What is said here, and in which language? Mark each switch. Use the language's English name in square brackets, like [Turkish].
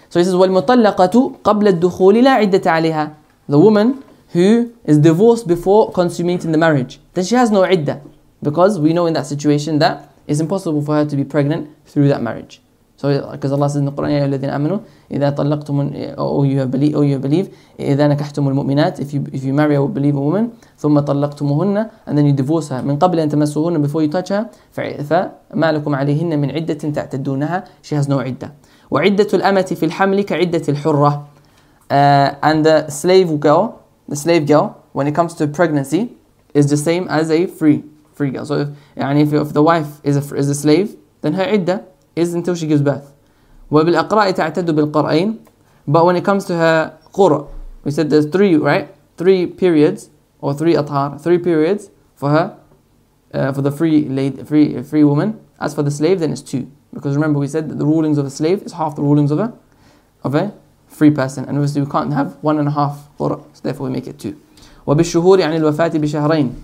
[English] So he says [Arabic] والمطلقة قبل الدخول لا عدة عليها. [English] The woman who is divorced before consummating the marriage, then she has no عدة. Because we know in that situation that it's impossible for her to be pregnant through that marriage. [Arabic] So, because Allah says in the Quran, "Ya الَّذِينَ آمَنُوا إِذَا طَلَّقْتُمْ أَوْ يُهَبَّلِيَ إِذَا نَكَحْتُمُ الْمُؤْمِنَاتِ [English] if you marry a believer woman, [Arabic] ثُمَّ طَلَّقْتُمُهُنَّ [English] and then you divorce her [Arabic] من قبل أن تمسوهن [English] before you touch her [Arabic] فَمَا لَكُمْ عَلَيْهِنَّ مِنْ عِدَّةٍ تَعْتَدُونَهَا [English] she has no [Arabic] عدة وَعِدَّةُ الْأَمَةِ فِي الْحَمْلِ كَعِدَّةِ الْحُرَّةِ [English] and the slave girl when it comes to pregnancy is the same as a free girl. So if the wife is a slave, then her عدة is until she gives birth. [Arabic] وبالأقراء تعتد بالقرآن. [English] But when it comes to her قرء, we said there's three, right? Three periods or three أطهار, three periods for her, for the free woman. As for the slave, then it's two. Because remember we said that the rulings of a slave is half the rulings of a free person. And obviously we can't have 1.5 قرء, so therefore we make it two. [Arabic] وبالشهور يعني الوفاة بشهرين.